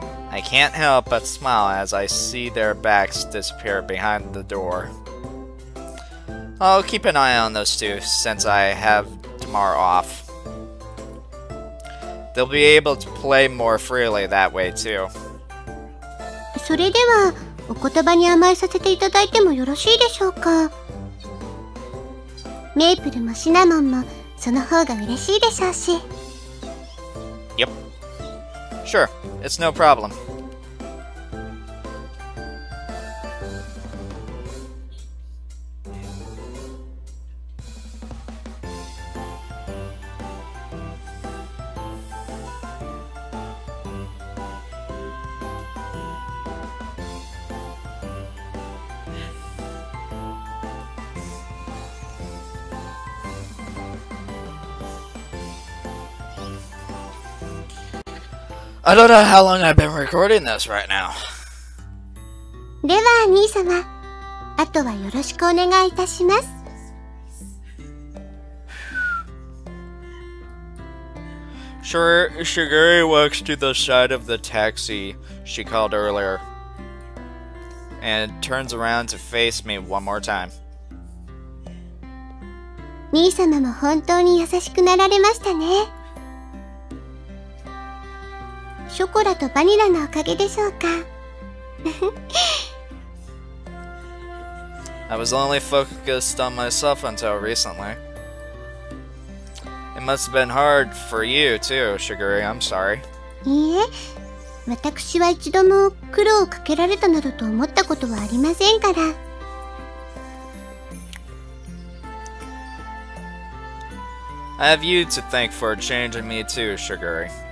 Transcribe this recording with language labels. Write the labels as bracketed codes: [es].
[en] I can't help but smile as I see their backs disappear behind the door. I'll keep an eye on those two since I have tomorrow off. They'll be able to play more freely that way too. [ja] それでは、お言葉に甘えさせていただいてもよろしいでしょうか? メイプルもシナモンもその方が嬉しいでしょうし。 [en] Yep, Sure, it's no problem. I don't know how long I've been recording this right now. [ja] では、兄様、あとはよろしくお願いいたします。 [en] Sure, Shigeru walks to the side of the taxi she called earlier and turns around to face me one more time. [ja] 兄様も本当に優しくなられましたね。ショコラとバニラのおかげでしょうか? [en] I was only focused on myself until recently. It must have been hard for you too, Shigeru. I'm sorry. [ja] いいえ、私は一度も苦労をかけられたなどと思ったことはありませんから。 [en] I have you to thank for changing me too, Shigeru.